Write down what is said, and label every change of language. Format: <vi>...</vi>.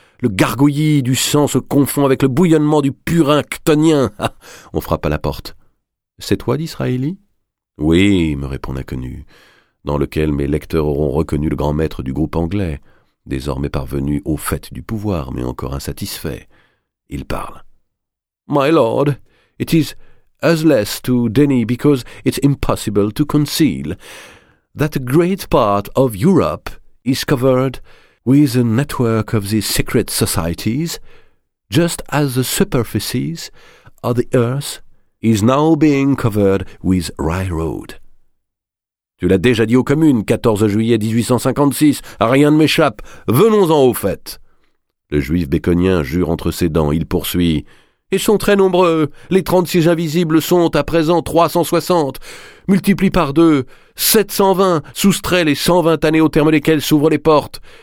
<fr>Le gargouillis du sang se confond avec le bouillonnement du purin chtonien. On frappe à la porte. C'est toi, d'Israéli ? Oui, me répond l'inconnu, dans lequel mes lecteurs auront reconnu le grand maître du groupe anglais, désormais parvenu au fait du pouvoir, mais encore insatisfait. Il parle.</fr> <en>My lord, it is as less to deny because it's impossible to conceal that a great part of Europe is covered with a network of these secret societies, just as the superficies of the earth is now being covered with railroad.</en> <fr>Tu l'as déjà dit aux communes, 14 juillet 1856, rien ne m'échappe, venons-en au fait. Le juif béconien jure entre ses dents, il poursuit. Ils sont très nombreux, les 36 invisibles sont à présent 360, multiplie par deux, 720, soustrait les 120 années au terme desquelles s'ouvrent les portes.</fr>